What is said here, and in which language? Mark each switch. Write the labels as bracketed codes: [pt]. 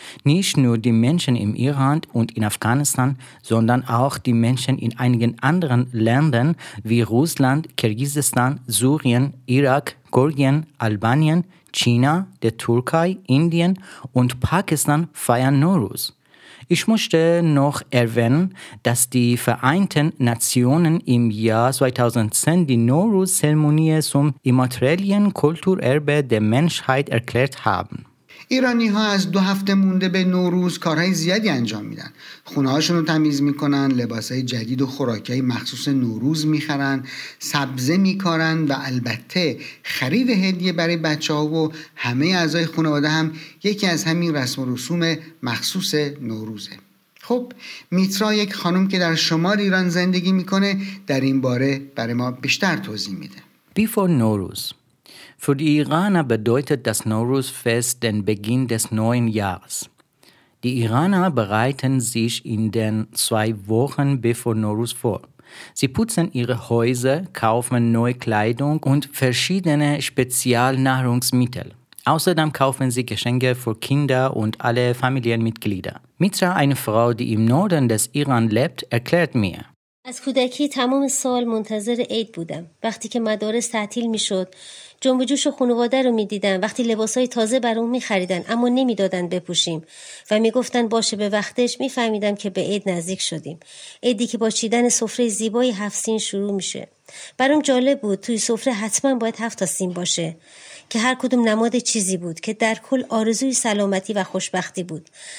[de] Nicht nur die Menschen im Iran und in Afghanistan, sondern auch die Menschen in einigen anderen Ländern wie Russland, Kirgisistan, Syrien, Irak, Georgien, Albanien, China, der Türkei, Indien und Pakistan feiern Nowruz. Ich möchte noch erwähnen, dass die Vereinten Nationen im Jahr 2010 die Nowruz-Zeremonie zum immateriellen Kulturerbe der Menschheit erklärt haben. [fa] ایرانی ها از دو هفته مونده به نوروز کارهای زیادی انجام میدن. خونه هاشون رو تمیز میکنن، لباس های جدید و خوراکی مخصوص نوروز میخرن، سبزه میکارن و البته خرید هدیه برای بچه ها و همه اعضای خانواده هم یکی از همین رسم و رسوم مخصوص نوروزه. خب میترا یک خانم که در شمال ایران زندگی میکنه در این باره برای ما بیشتر توضیح میده. [de] Before نوروز Für die Iraner bedeutet das Nowruz-Fest den Beginn des neuen Jahres. Die Iraner bereiten sich in den zwei Wochen bevor Nowruz vor. Sie putzen ihre Häuser, kaufen neue Kleidung und verschiedene Spezialnahrungsmittel. Außerdem kaufen sie Geschenke für Kinder und alle Familienmitglieder. Mitra, eine Frau, die im Norden des Iran lebt, erklärt mir. [fa] از کودکی تمام سال منتظر عید بودم. وقتی که مدارس تعطیل می شد، جنب جوش خانواده رو می دیدم. وقتی لباسای تازه برام می خریدن، اما نمی دادن بپوشیم و می گفتن باشه به وقتش، می فهمیدم که به عید نزدیک شدیم. عیدی که با چیدن سفره زیبای هفت سین شروع می شه. برام جالب بود توی سفره حتما باید هفت تا سین باشه که هر کدوم نماد چیزی بود که در کل آرزوی سلامتی و خوشبختی بود.